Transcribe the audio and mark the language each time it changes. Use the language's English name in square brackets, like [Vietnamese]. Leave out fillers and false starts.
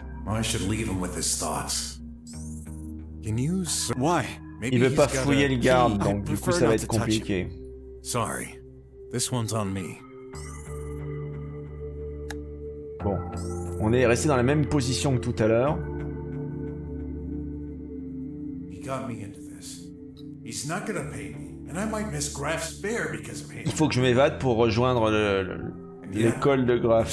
[English] I should leave him with his thoughts. Can you? Why? Maybe [French] il veut pas fouiller le garde, donc du coup ça va être compliqué. [English] Sorry, this one's on me. [French] Bon, on est resté dans la même position que tout à l'heure. [English] He got me into this. He's not gonna pay me, and I might miss Graf's bear because of him. [French] Il faut que je m'évade pour rejoindre l'école de Graf.